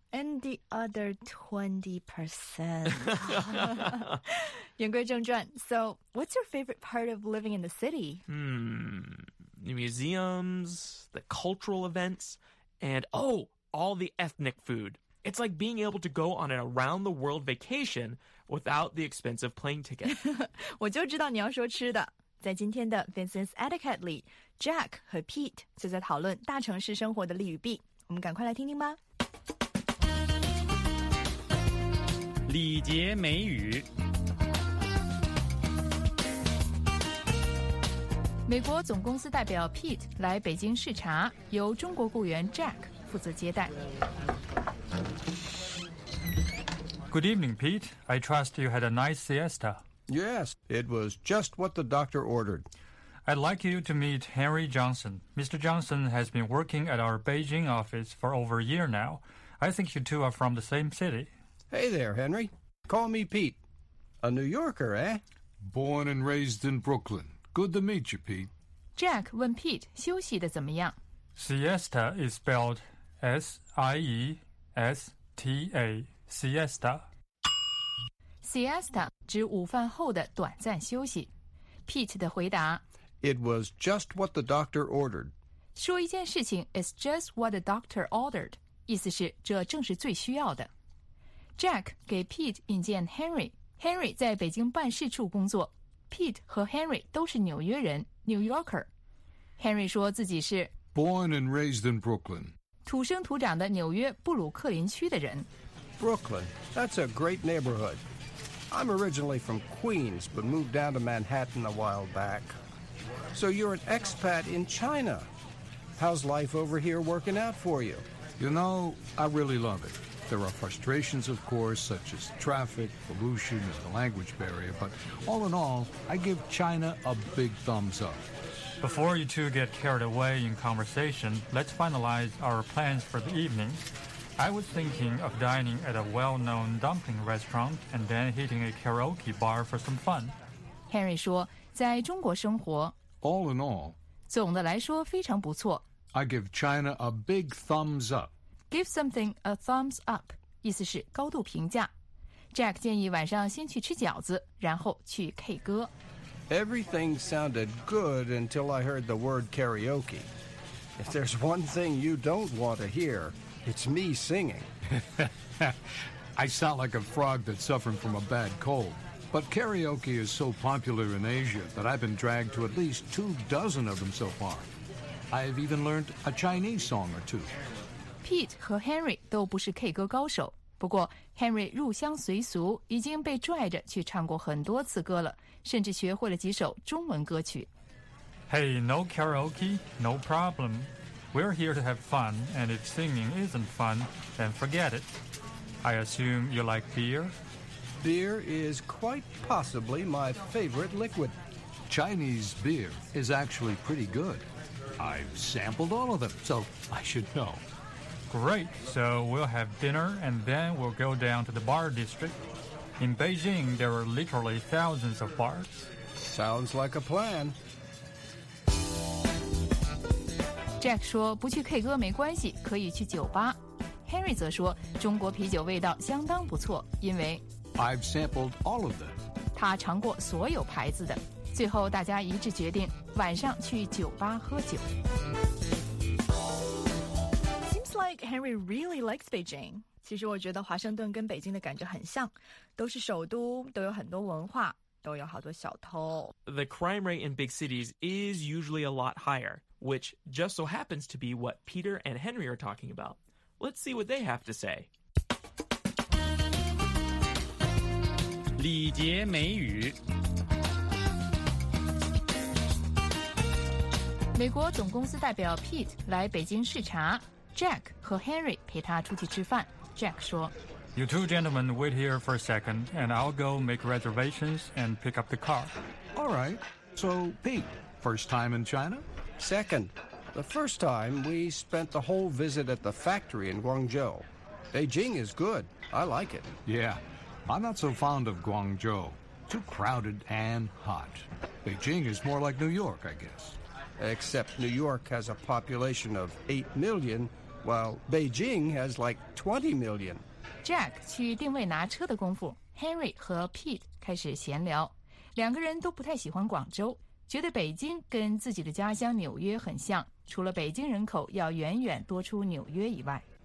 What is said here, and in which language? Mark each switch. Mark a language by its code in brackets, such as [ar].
[en] And the other 20%. [zh] 言归正传 [en] So, what's your favorite part of living in the city? The museums, the cultural events, and oh, all the ethnic food. It's like being able to go on an around-the-world vacation without the expense of plane ticket. [zh] 我就知道你要说吃的。在今天的 Vincent's Etiquette 里 ，Jack 和 Pete 就在讨论大城市生活的利与弊。我们赶快来听听吧。礼节美语。美国总公司代表 Pete 来北京视察，由中国雇员 Jack 负责接待。 [en] Good evening, Pete. I trust you had a nice siesta. Yes, it was just what the doctor ordered. I'd like you to meet Henry Johnson. Mr. Johnson has been working at our Beijing office for over a year now. I think you two are from the same city. Hey there, Henry. Call me Pete. A New Yorker, eh? Born and raised in Brooklyn. Good to meet you, Pete. [zh] Jack 问 Pete 休息得怎么样 [en] Siesta is spelled S-I-E-S-T-A. Siesta. [zh] Siesta 指午饭后的短暂休息。 Pete 的回答 [en] It was just what the doctor ordered. [zh] 说一件事情 [en] is just what the doctor ordered. [zh] 意思是这正是最需要的。 Jack 给 Pete 引荐 Henry. Henry 在北京办事处工作。 Pete 和 Henry 都是纽约人 New Yorker. Henry 说自己是 [en] Born and raised in Brooklyn. [zh] 土生土长的纽约布鲁克林区的人。 [en] Brooklyn, that's a great neighborhood. I'm originally from Queens, but moved down to Manhattan a while back. So you're an expat in China. How's life over here working out for you? You know, I really love it. There are frustrations, of course, such as traffic, pollution, and the language barrier, but all in all, I give China a big thumbs up. Before you two get carried away in conversation, let's finalize our plans for the evening. I was thinking of dining at a well-known dumpling restaurant and then hitting a karaoke bar for some fun. [zh] Henry 说在中国生活 [en] All in all, [zh] 总的来说非常不错 [en] I give China a big thumbs up. Give something a thumbs up, [zh] 意思是高度评价。 Jack 建议晚上先去吃饺子然后去 K 歌。 [en] Everything sounded good until I heard the word karaoke. If there's one thing you don't want to hear... It's me singing. I sound like a frog that's suffering from a bad cold. But karaoke is so popular in Asia that I've been dragged to at least 24 of them so far. I've even learned a Chinese song or two. [zh] Pete 和 Henry 都不是 K 歌高手。不过 Henry 入乡随俗已经被拽着去唱过很多次歌了甚至学会了几首中文歌曲。 [en] Hey, no karaoke, no problem.We're here to have fun, and if singing isn't fun, then forget it. I assume you like beer? Beer is quite possibly my favorite liquid. Chinese beer is actually pretty good. I've sampled all of them, so I should know. Great. So we'll have dinner, and then we'll go down to the bar district. In Beijing, there are literally thousands of bars. Sounds like a plan. [zh] Jack 说不去 K 歌没关系，可以去酒吧。Henry 则说中国啤酒味道相当不错，因为 [en] I've sampled all of them. [zh] 他尝过所有牌子的。最后大家一致决定晚上去酒吧喝酒。 [en] Seems like Henry really likes Beijing. [zh] 其实我觉得华盛顿跟北京的感觉很像，都是首都，都有很多文化，都有好多小偷。 [en] The crime rate in big cities is usually a lot higher, which just so happens to be what Peter and Henry are talking about. Let's see what they have to say. [zh] 礼节美语。美国总公司代表 Pete 来北京视察， Jack 和 Henry 陪他出去吃饭。 Jack 说 [en] You two gentlemen wait here for a second and I'll go make reservations and pick up the car. All right. So Pete, first time in China? Second. The first time we spent the whole visit at the factory in Guangzhou. Beijing is good. I like it. Yeah. I'm not so fond of Guangzhou. Too crowded and hot. Beijing is more like New York, I guess. Except New York has a population of 8 million, while Beijing has like 20 million. [zh] Jack 去定位拿车的功夫， Henry 和 Pete 开始闲聊。两个人都不太喜欢广州，觉得北京跟自己的家乡纽约很像，除了北京人口要远远多出纽约以外。